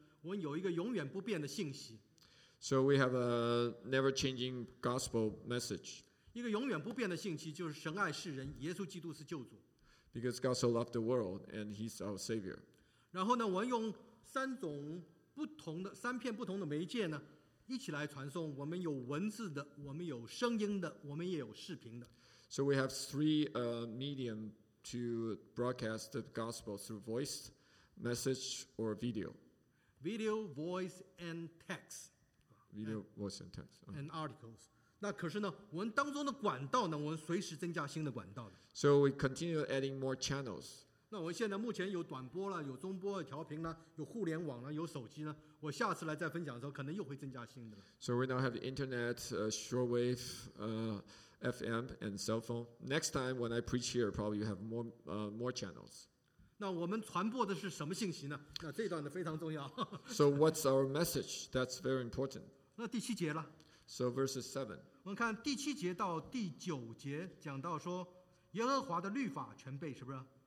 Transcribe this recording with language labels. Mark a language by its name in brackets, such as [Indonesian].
[Chinese] 所以用收音机传福音还是很重要的。所以我们今天远东广播我们服事的，我们有一个永远不变的信息。 [English] So we have a never-changing gospel message. [Chinese] 一个永远不变的信息就是神爱世人，耶稣基督是救主。 [English] Because God so loved the world, and He's our Savior. [Chinese] 然后呢，我们用三种不同的三片不同的媒介呢。一起来传送，我们有文字的, 我们有声音的, 我们也有视频的。 [English] So we have three medium to broadcast the gospel through voice, message, or video. Video, voice, and text. Video, voice, and text. And articles. [Chinese] 那可是呢, 我们当中的管道呢, 我们随时增加新的管道的。 [English] So we continue adding more channels. [Chinese] 那我现在目前有短波了, 有中波了,调频了, 有互联网了, 有手机呢, 我下次来再分享的时候, 可能又会增加新的了。 [English] So we now have internet, shortwave, FM, and cell phone. Next time when I preach here, probably you have more channels. [Chinese] 那我们传播的是什么信息呢? 那这一段非常重要。 [English] So what's our message? That's very important. [Chinese] 那第七节了。 [English] So verses 7. [Chinese] 我们看第七节到第九节, 讲到说, 耶和华的律法全备是不是?